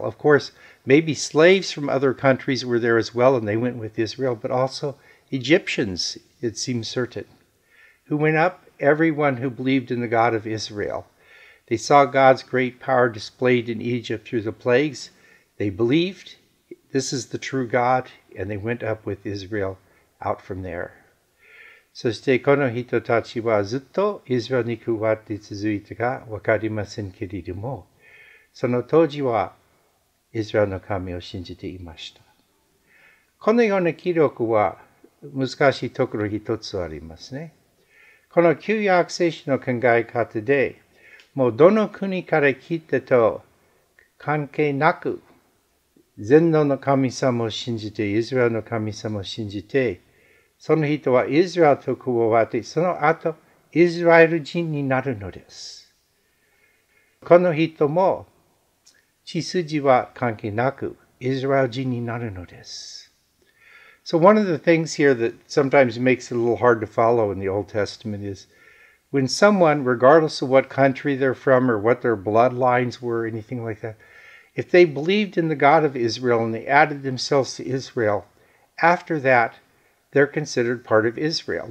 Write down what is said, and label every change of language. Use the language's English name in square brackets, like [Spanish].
[English] Of course, maybe slaves from other countries were there as well, and they went with Israel, but also Egyptians, it seems certain, who went up, everyone who believed in the God of Israel. They saw God's great power displayed in Egypt through the plagues. They believed this is the true God, and they went up with Israel out from there. [Japanese] そしてこの人たちはずっとイスラエルに加わって続いたかわかりませんけれども、その当時はイスラエルの神を信じていました。このような記録は難しいところ一つありますね。この旧約聖書の考え方で、もうどの国から来たと関係なく、全能の神様を信じて、イスラエルの神様を信じて、その人はイスラエルと加わって、その後、イスラエル人になるのです。この人も、血筋は関係なく、イスラエル人になるのです。 [English] So one of the things here that sometimes makes it a little hard to follow in the Old Testament is, when someone, regardless of what country they're from or what their bloodlines were or anything like that, if they believed in the God of Israel and they added themselves to Israel, after that, they're considered part of Israel.